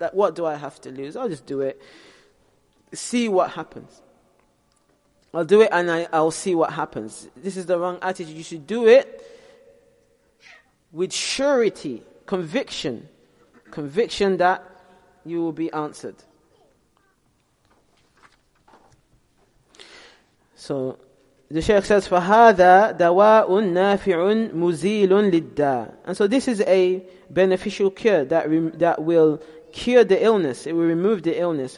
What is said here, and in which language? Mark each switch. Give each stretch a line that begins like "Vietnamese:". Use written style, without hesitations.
English: Like, what do I have to lose? I'll just do it. See what happens. I'll do it and I'll see what happens. This is the wrong attitude. You should do it with surety, conviction that you will be answered. So the Shaykh says,
Arabic: فَهَذَا دَوَاءٌ نَافِعٌ مُزِيلٌ لِلدَّاءِ.
English: And so this is a beneficial cure that will cure the illness. It will remove the illness.